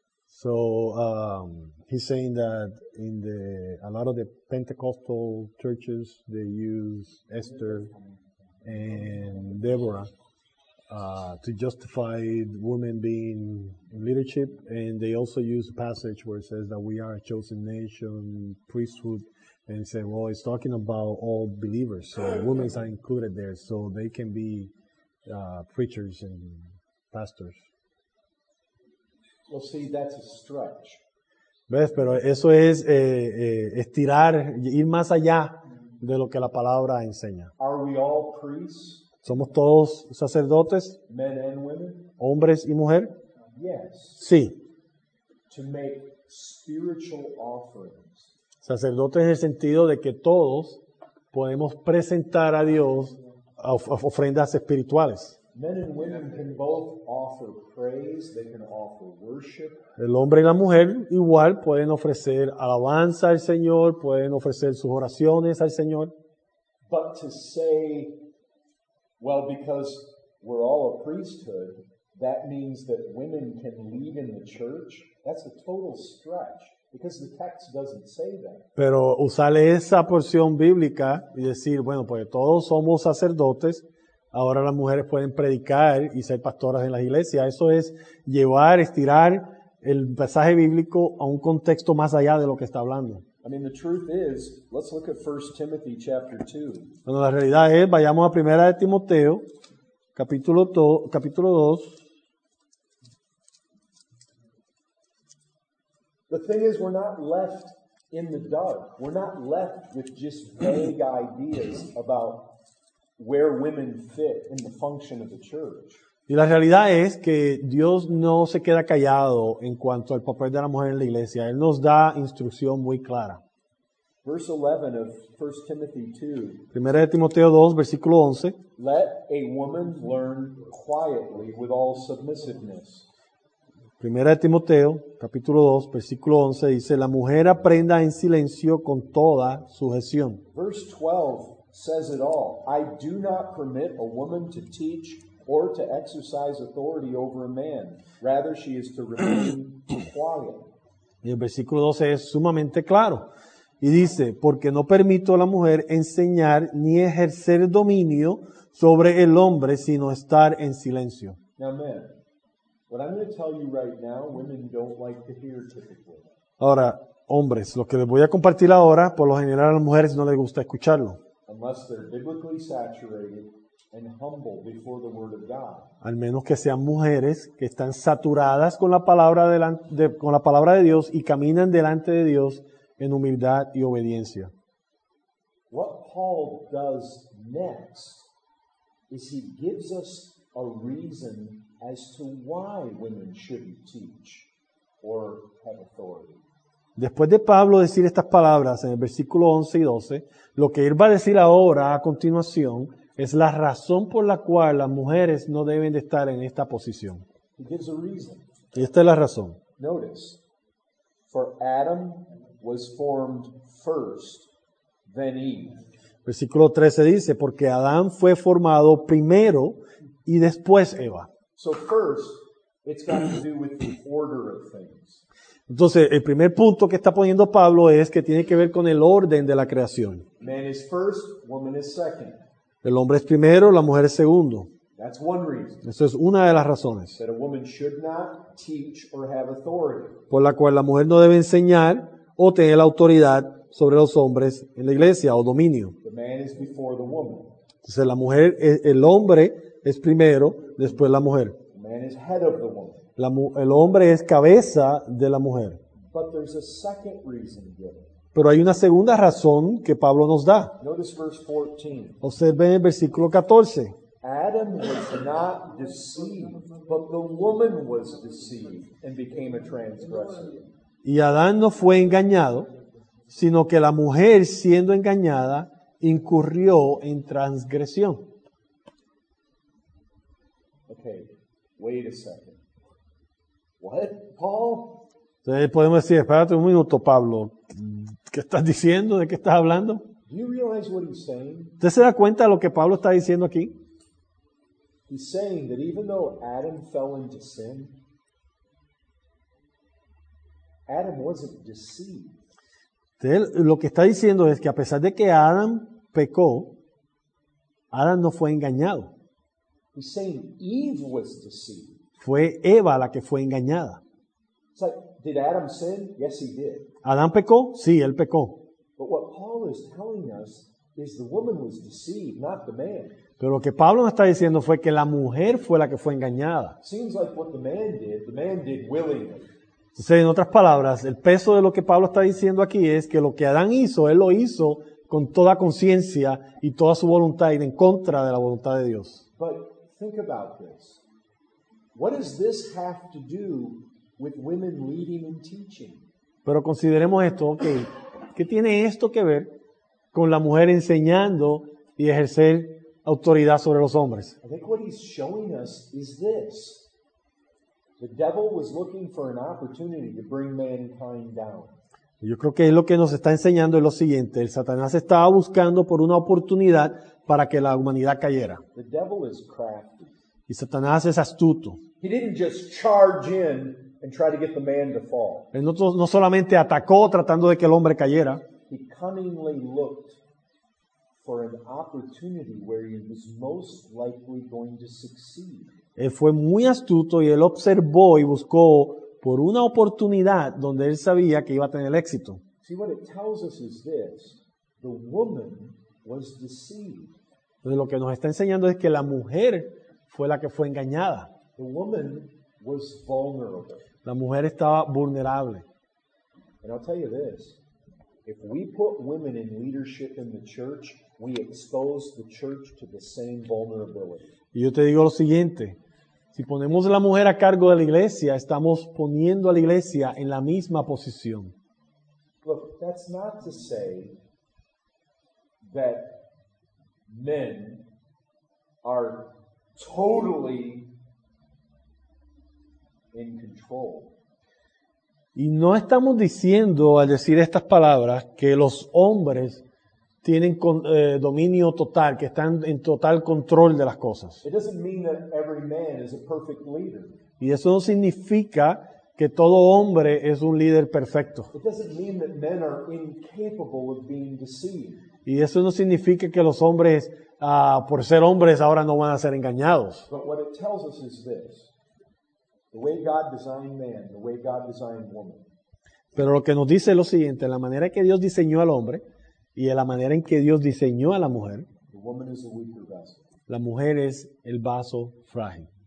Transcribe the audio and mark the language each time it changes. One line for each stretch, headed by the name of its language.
English: So he's saying that in a lot of the Pentecostal churches they use Esther and Deborah to justify women being in leadership, and they also use a passage where it says that we are a chosen nation, priesthood, and say, well, it's talking about all believers, so women are included there, so they can be preachers and pastors. Well, see, that's a stretch.
Spanish: ¿Ves? Pero eso es estirar, ir más allá de lo que la palabra enseña.
English: Are we all priests?
Spanish: ¿Somos todos sacerdotes?
English: Men and women?
Spanish: ¿Hombres y mujer?
English: Yes.
Spanish: Sí.
English: To make spiritual offerings.
Spanish: Sacerdotes en el sentido de que todos podemos presentar a Dios ofrendas espirituales.
English: Men and women can both offer praise, they can offer worship.
Spanish: El hombre y la mujer igual pueden ofrecer alabanza al Señor, pueden ofrecer sus oraciones al Señor.
English: But to say, well, because we're all a priesthood, that means that women can lead in the church, that's a total stretch. Because the text doesn't say that.
Spanish: Pero usar esa porción bíblica y decir, bueno, pues todos somos sacerdotes, ahora las mujeres pueden predicar y ser pastoras en las iglesias. Eso es llevar, estirar el pasaje bíblico a un contexto más allá de lo que está hablando.
English: I mean, the truth is, let's look at 1 Timothy chapter 2.
Spanish: Bueno, la realidad es, vayamos a 1 de Timoteo, capítulo 2.
English: The thing is, we're not left in the dark. We're not left with just vague ideas about where women fit in the function of the church.
Spanish: Y la realidad es que Dios no se queda callado en cuanto al papel de la mujer en la iglesia. Él nos da instrucción muy clara.
English: Verse 11 of 1 Timothy 2.
Spanish: Primera de Timoteo 2, versículo 11.
English: Let a woman learn quietly with all submissiveness.
Spanish: Primera de Timoteo, capítulo 2, versículo 11, dice, la mujer aprenda en silencio con toda sujeción.
English: Verse 12 says it all. I do not permit a woman to teach or to exercise authority over a man. Rather, she is to remain quiet.
Spanish: Y el versículo 12 es sumamente claro. Y dice, porque no permito a la mujer enseñar ni ejercer dominio sobre el hombre, sino estar en silencio.
English: Now, men. What I'm going to tell you right now, women don't like to hear typically.
Spanish: Ahora, hombres, lo que les voy a compartir ahora, por lo general a las mujeres no les gusta escucharlo.
English: Unless they're biblically saturated and humble before the word of God.
Spanish: Al menos que sean mujeres que están saturadas con la palabra de Dios y caminan delante de Dios en humildad y obediencia.
English: What Paul does next is he gives us a reason as to why women shouldn't teach or have authority.
Spanish: Después de Pablo decir estas palabras en el versículo 11 y 12, lo que él va a decir ahora a continuación es la razón por la cual las mujeres no deben de estar en esta posición.
English: He gives a reason.
Spanish: Y esta es la razón.
English: Notice, for Adam was formed first, then Eve.
Spanish: Versículo 13 dice, porque Adán fue formado primero y después Eva.
English: So first, it's got to do with the order of things.
Spanish: Entonces, el primer punto que está poniendo Pablo es que tiene que ver con el orden de la creación.
English: Man is first, woman is second.
Spanish: El hombre es primero, la mujer es segundo.
English: That's one reason.
Spanish: Eso es una de las razones.
English: That a woman should not teach or have authority.
Spanish: Por la cual la mujer no debe enseñar o tener la autoridad sobre los hombres en la iglesia o dominio.
English: The man is before the woman.
Spanish: Entonces, la mujer, el hombre es primero, después la mujer.
English: Man is head of the woman.
Spanish: El hombre es cabeza de la mujer.
English: But there's a second reason given.
Spanish: Pero hay una segunda razón que Pablo nos da.
English: Notice verse 14.
Spanish: Observen el versículo 14.
English: Adam was not deceived, but the woman was deceived and became a transgressor.
Spanish: Y Adán no fue engañado, sino que la mujer, siendo engañada, incurrió en transgresión.
English: Okay, wait a second. What, Paul?
Spanish: Entonces podemos decir, espérate un minuto, Pablo. ¿Qué estás diciendo? ¿De qué estás hablando?
English: Do you realize what he's saying?
Spanish: ¿Usted se da cuenta de lo que Pablo está diciendo aquí?
English: He's saying that even though Adam fell into sin, Adam wasn't deceived.
Spanish: Entonces, lo que está diciendo es que a pesar de que Adam pecó, Adam no fue engañado.
English: He's saying Eve was deceived.
Spanish: Fue Eva la que fue engañada.
English: It's like, did Adam sin? Yes, he did.
Spanish: ¿Adán pecó? Sí, él pecó.
English: But what Paul is telling us is the woman was deceived, not the man.
Spanish: Pero lo que Pablo nos está diciendo fue que la mujer fue la que fue engañada.
English: Seems like what the man did willingly.
Spanish: Entonces, en otras palabras, el peso de lo que Pablo está diciendo aquí es que lo que Adán hizo, él lo hizo con toda conciencia y toda su voluntad, ir en contra de la voluntad de Dios.
English: But think about this. What does this have to do with women leading and teaching?
Spanish: Pero consideremos esto, okay. ¿Qué tiene esto que ver con la mujer enseñando y ejercer autoridad sobre los hombres?
English: I think what he's showing us is this. The devil was looking for an opportunity to bring mankind down.
Spanish: Yo creo que es lo que nos está enseñando es lo siguiente. El Satanás estaba buscando por una oportunidad para que la humanidad cayera.
English: The devil is crafty.
Spanish: Y Satanás es astuto.
English: He didn't just charge in and try to get the man to fall.
Spanish: Él no solamente atacó tratando de que el hombre cayera.
English: He cunningly looked for an opportunity where he was most likely going to succeed.
Spanish: Él fue muy astuto y él observó y buscó por una oportunidad donde él sabía que iba a tener éxito.
English: See, what it tells us is this. The woman was deceived.
Spanish: Entonces, lo que nos está enseñando es que la mujer fue la que fue engañada.
English: The woman was vulnerable.
Spanish: La mujer estaba vulnerable.
English: And I'll tell you this. If we put women in leadership in the church, we expose the church to the same vulnerability.
Spanish: Y yo te digo lo siguiente, si ponemos a la mujer a cargo de la iglesia, estamos poniendo a la iglesia en la misma posición.
English: Look, that's not to say that men are totally in control.
Spanish: Y no estamos diciendo, al decir estas palabras, que los hombres tienen dominio total, que están en total control de las cosas.
English: It doesn't mean that every man is a perfect leader.
Spanish: Y eso no significa que todo hombre es un líder perfecto.
English: It doesn't mean that men are incapable of being deceived.
Spanish: Y eso no significa que los hombres, por ser hombres, ahora no van a ser engañados.
English: But what it tells us is this. The way God designed man, the way God designed woman.
Spanish: Pero lo que nos dice es lo siguiente, la manera que Dios diseñó al hombre y en la manera en que Dios diseñó a la mujer,
English: the woman is a weaker vessel.
Spanish: La mujer es el vaso frágil.